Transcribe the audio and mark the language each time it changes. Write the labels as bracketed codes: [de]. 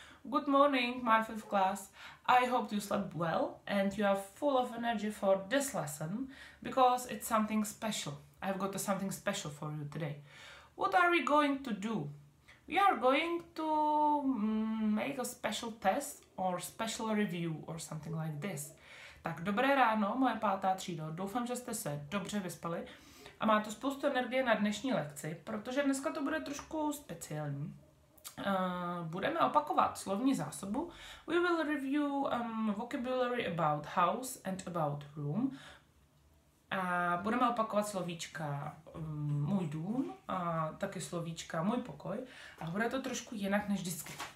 [en] Good morning, my fifth class. I hope you slept well and you are full of energy for this lesson because it's something special. I've got something special for you today. What are we going to do? We are going to make a special test or special review or something like this. [cs] Tak dobré ráno, moje pátá třído. Doufám, že jste se dobře vyspali a máte spoustu energie na dnešní lekci, protože dneska to bude trošku speciální. Budeme opakovat slovní zásobu. [en] We will review vocabulary about house and about room. [cs] A budeme opakovat slovíčka můj dům a taky slovíčka můj pokoj. A bude to trošku jinak než vždycky.